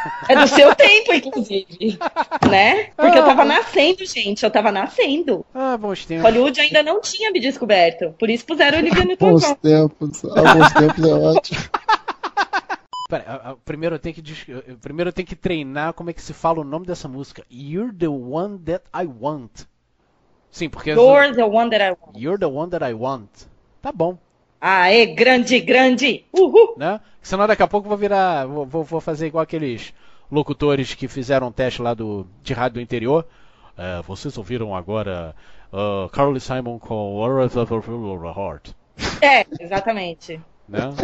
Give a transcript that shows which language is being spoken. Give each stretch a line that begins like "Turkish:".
Portuguese: É do seu tempo, inclusive, né? Porque eu tava nascendo, gente, Ah, bons tempos. Hollywood ainda não tinha me descoberto, por isso puseram o Olivia Newton-John. Bons tempos, é ótimo. Primeiro eu tenho que treinar como é que se fala o nome dessa música.
English: You're the one that I want.
Portuguese: Sim, porque...
English: You're the one that I want. You're the one that I want.
Portuguese: Tá bom. Aê, grande, grande! Uhul! Né? Senão daqui a pouco vou virar. Vou fazer igual aqueles locutores que fizeram um teste lá de rádio do interior. É, vocês ouviram agora Carly Simon com Words of the Heart. É, exatamente. Né?